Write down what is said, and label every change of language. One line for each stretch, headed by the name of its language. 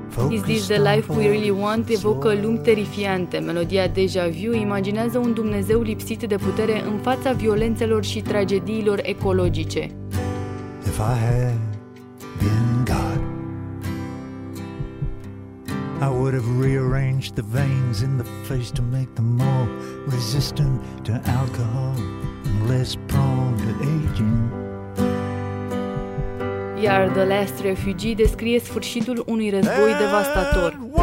Romanian: Is This The Life We Really Want evocă lumi terifiante. Melodia Deja Vu imaginează un Dumnezeu lipsit de putere în fața violențelor și tragediilor ecologice.
English: If I had been God, I would have rearranged the veins in the face to make them more resistant to alcohol and less prone to aging.
Romanian: Iar The Last Refugee descrie sfârșitul unui război devastator.